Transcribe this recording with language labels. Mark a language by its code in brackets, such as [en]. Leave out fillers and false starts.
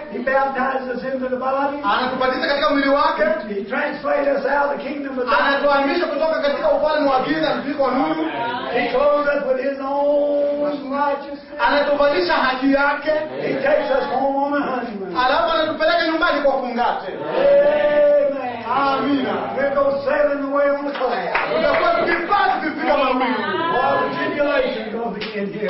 [en] He baptizes us into the body. [sw] Anatupatiza katika mwili wake. [en] He translates us out of the kingdom of God. [sw] Anatuhamisha kutoka katika ufalme wa giza na kutoka nuru. [en] He clothes us with his own righteousness. [sw] Anatuvalisha haki yake. [en] He takes us home on a honeymoon. [sw] Alafu anatupeleka nyumbani kwa fungate. Amen. Amen. [en] We'll go sailing away on the cloud. We're going to be fast to pick up our wings. While the tribulation goes in here.